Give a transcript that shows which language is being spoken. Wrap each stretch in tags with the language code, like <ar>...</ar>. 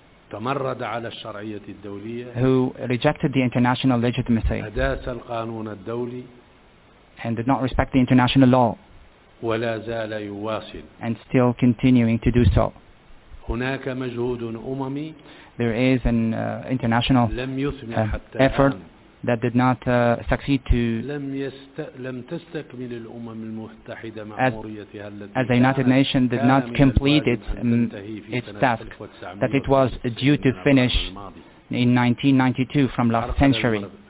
<en>who rejected the international legitimacy and did not respect the international law and still continuing to do so.</en> <ar>هناك مجهود أممي.</ar> <en>There is an international effort that did not succeed to.</en> <ar>لم تستكمل الأمم المتحدة مأموريتها التي.</ar> <en>As the United Nations did not complete its task that it was due to finish in 1992 from last century.</en>